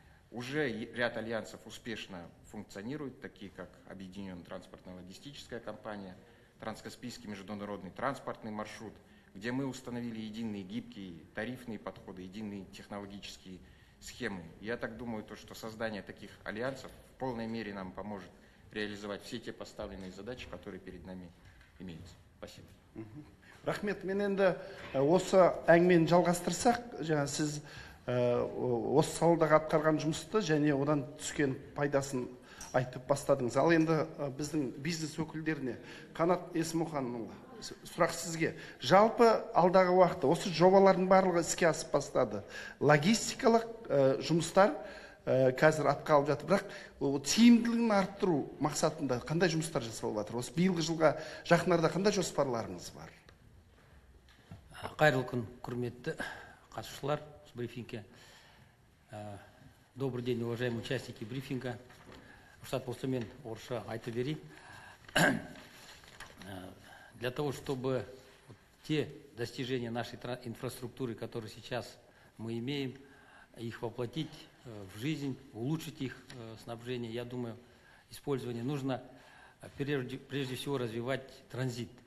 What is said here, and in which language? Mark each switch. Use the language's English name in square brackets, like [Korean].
[Russian] Уже ряд альянсов успешно функционирует, такие как Объединенная транспортно-логистическая компания, Транскаспийский международный транспортный маршрут, где мы установили единые гибкие тарифные подходы, единые технологические схемы. Я так думаю, то, что создание таких альянсов в полной мере нам поможет реализовать все те поставленные задачи, которые перед нами имеются. Спасибо. [Kazakh] Рахмет, мен енді осы әңгімен жалғастырсақ, жаңа сіз осы салдағы атқарған жұмысты және одан түскен пайдасын айтып бастадыңыз. Ал енді біздің бизнес өкілдеріне, Қанат Есмұханұлы, сұрақ сізге. Жалпы алдағы уақытта осы жобалардың барлығы іске асып бастады. Логистикалық жұмыстар қазір атқалып жатыр. Бірақ тиімділігін арттыру мақсатында қандай жұмыстар жасалып жатыр? Осы биылғы жылға жақын арада қандай жоспарларыңыз бар? Қайырлы күн, құрметті қатысушылар осы брифингке. [Russian] Добрый день, уважаемые участники брифинга. [Kazakh] Рұқсат болса, мен орысша айта берейін. [Russian] Для того, чтобы те достижения нашей инфраструктуры, которые сейчас мы имеем, их воплотить в жизнь, улучшить их снабжение, я думаю, использование, нужно прежде всего развивать транзит.